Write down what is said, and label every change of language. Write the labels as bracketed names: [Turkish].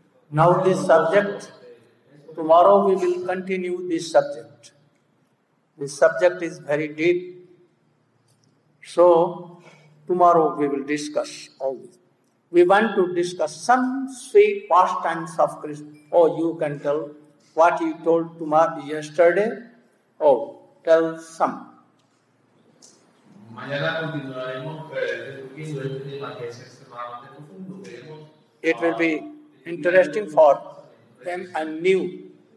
[English] Now this subject, tomorrow we will continue this subject. This subject is very deep. So, tomorrow we will discuss all this. We want to discuss some sweet pastimes of Krishna. Oh, you can tell what you told tomorrow yesterday. Oh, tell some. [Spanish] Mañana continuaremos discutiendo este tema que es extremadamente profundo. [English] It will be interesting for them and new.